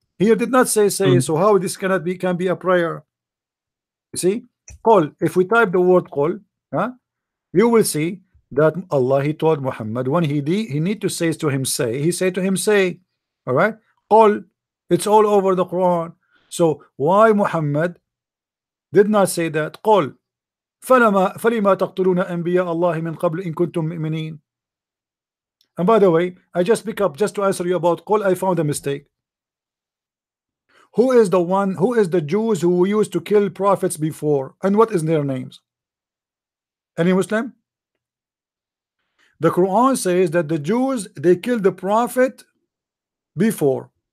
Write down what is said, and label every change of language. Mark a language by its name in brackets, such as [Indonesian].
[English] Here did not say, say. So how this cannot be, can be a prayer? You see, call, if we type the word call, you will see that Allah he told Muhammad when he need to say to him, say, he say to him, say, all right, call, it's all over the Quran. So why Muhammad did not say that? [Arabic] قل فلما تقتلون أنبياء الله من قبل إن كنتم مؤمنين. [English] And by the way, I just pick up just to answer you about قل. I found a mistake. Who is the one? Who is the Jews who used to kill prophets before? And what is their names? Any Muslim? The Quran says that the Jews, they killed the prophet before.